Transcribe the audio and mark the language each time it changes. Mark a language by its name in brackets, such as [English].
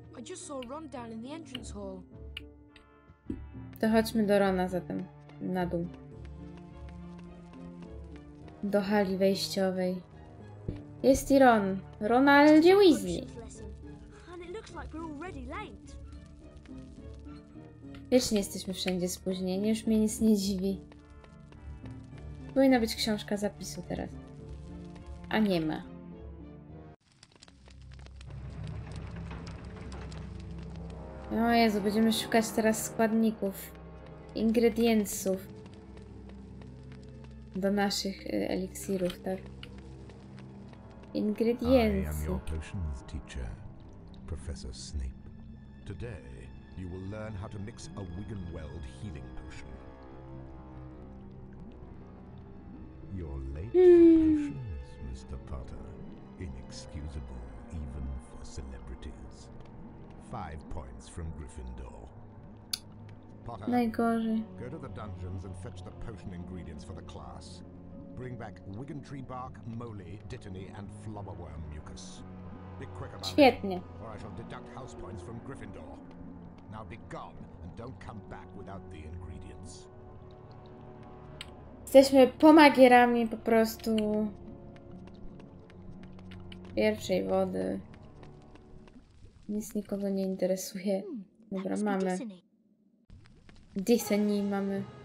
[English] Just saw Ron down in the entrance hall. [Polish] To chodźmy do Rona zatem na dół. Do hali wejściowej. Jest i Ron. Ronaldzie Weasley. [English] And it looks like we're already late. [Polish] Wiecznie jesteśmy wszędzie spóźnieni, już mnie nic nie dziwi. Powinna być książka zapisu teraz. A nie ma. O Jezu, będziemy szukać teraz składników, ingrediencjów do naszych eliksirów, tak? Ingrediencji. [English] I am your potions teacher, Professor Snape. Today you will learn how to mix a Wigan Weld healing potion. You're late for potions, Mr. Potter. Inexcusable, even for celebrities. 5 points from Gryffindor. Potter, [Polish] najgorzej. [English] Go to the dungeons and fetch the potion ingredients for the class. Bring back Wigan tree bark, moly, dittany and flubberworm mucus. Be quick about [Polish] Świetnie. [English] it, or I shall deduct house points from Gryffindor. Now be gone and don't come back without the ingredients. [Polish] Jesteśmy pomagierami po prostu pierwszej wody. Nic nikogo nie interesuje. Dobra, mamy. Disney mamy.